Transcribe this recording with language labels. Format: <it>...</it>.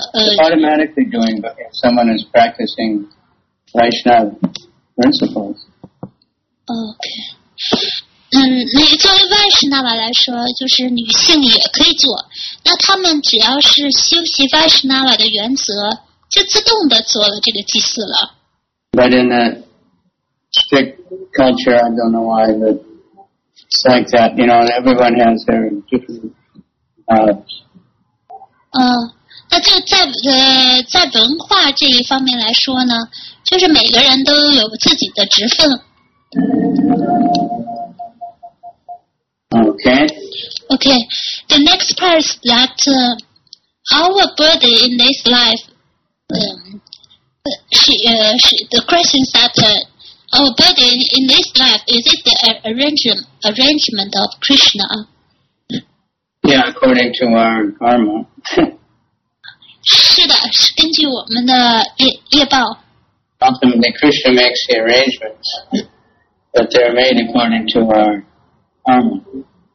<en>it's automatically doing, but if someone is practicing Vaishnava principles. Okay.</en> <zh>作为外师那么来说，就是女性也可以做，那他们只要是修习外师那么的原则，就自动的做了这个祭祀了。</zh> <en>But in a strict culture, I don't know why, but it's like that, you know, everyone has their different</en> <zh>那就在在文化这一方面来说呢，就是每个人都有自己的职分。</zh> <en>Okay. The next part is that our body in this life, the question is that our body in this life, is it the arrangement of Krishna? Yeah, according to our karma.</en> <zh>是的，是根据我们的业报。</zh> <en>Yeah. Ultimately, Krishna makes the arrangements, but they're made according to our karma.</en>